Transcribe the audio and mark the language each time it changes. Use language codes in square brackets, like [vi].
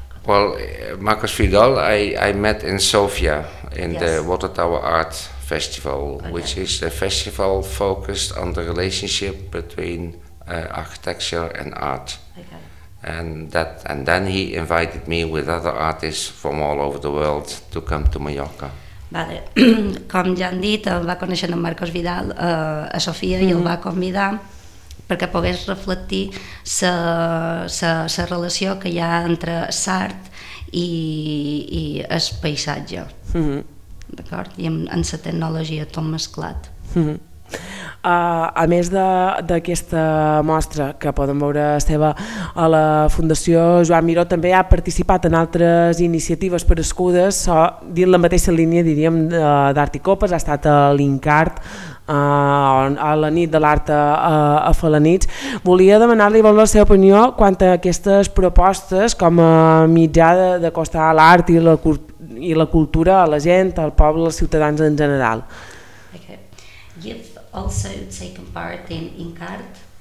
[en] Well, Marcos Vidal, I met in Sofia, in the Water Tower Art Festival, which is a festival focused on the relationship between architecture and art. Okay. And then he invited me with other artists from all over the world to come to Mallorca. Vale. [ca] Com ja han dit, el va conèixer en Marcos Vidal a Sofia i el va convidar perquè pogués reflectir la relació que hi ha entre l'art i el paisatge. Uh-huh. D'acord? I amb la tecnologia tot mesclat. Uh-huh. A més d'aquesta mostra que podem veure esteve a la Fundació Joan Miró, també ha participat en altres iniciatives per escudes, dins la mateixa línia diríem d'Art i Copes, ha estat a l'Incart, a la nit de l'art a Felanitz. Volia demanar-li la seva opinió quant a aquestes propostes com a mitjà d'acostar l'art i la cultura a la gent, al poble, als ciutadans en general. Okay. Yep. [en] Also taken part in Incart,